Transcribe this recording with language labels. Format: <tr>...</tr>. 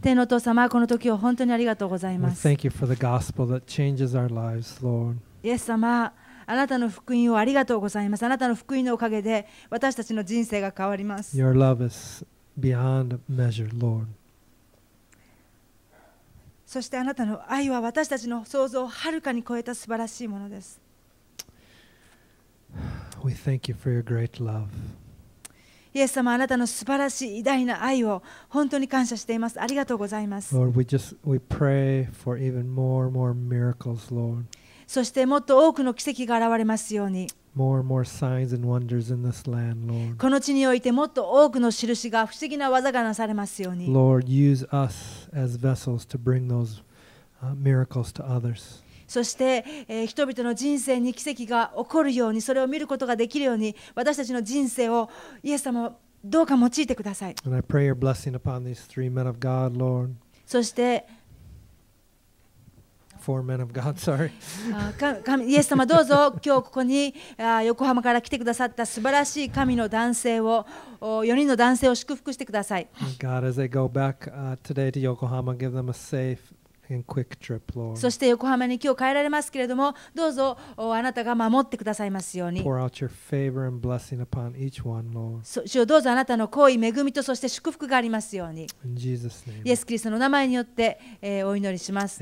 <ja>天のお父様、この時を本当にありがとうございます。</ja> <en>We thank you for the gospel that changes our lives, Lord.</en> <ja>イエス様、あなたの福音をありがとうございます。あなたの福音のおかげで私たちの人生が変わります。</ja> <en>Your love is beyond measure, Lord.</en> <ja>そしてあなたの愛は私たちの想像をはるかに超えた素晴らしいものです。</ja> <en>We thank you for your great love.</en> <ja>イエス様、あなたの素晴らしい偉大な愛を本当に感謝しています。ありがとうございます。</ja> <en>Lord, we pray for even more miracles, Lord.</en> <ja>そしてもっと多くの奇跡が現れますように。</ja> <en>More and more signs and wonders in this land, Lord.</en> <ja>この地においてもっと多くの印が不思議な技がなされますように。</ja> <en>Lord, use us as vessels to bring those miracles to others.</en> <ja>そして、人々の人生に奇跡が起こるようにそれを見ることができるように私たちの人生をイエス様どうか用いてください。</ja> <en>And I pray your blessing upon these three men of God, Lord.</en> <ja>そして</ja> <en>Four men of God, sorry.</en> <ja>イエス様どうぞ今日ここに横浜から来てくださった素晴らしい神の男性を4人の男性を祝福してください。</ja> <en>God, as they go back today to Yokohama, give them a safeAnd quick trip, Lord.</en> <ja>そして横浜に今日帰られますけれどもどうぞあなたが守ってくださいますように。</ja> <en>Pour out your favor and blessing upon each one, Lord.</en> <ja>主よどうぞあなたの好意恵みとそして祝福がありますように。</ja> <en>In Jesus' name.</en> <ja>イエス・キリストの名前によって、お祈りします。</ja>